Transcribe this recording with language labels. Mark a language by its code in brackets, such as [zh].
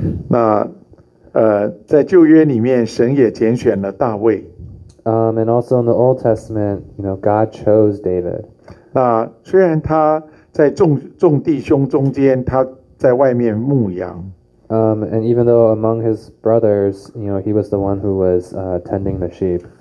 [zh] 那在旧约里面神也拣选了大卫。 [en] And also in the Old Testament, you know, God chose David. [zh] 那虽然他在众弟兄中间他在外面牧羊。 [en] And even though among his brothers, you know, he was the one who was tending the sheep.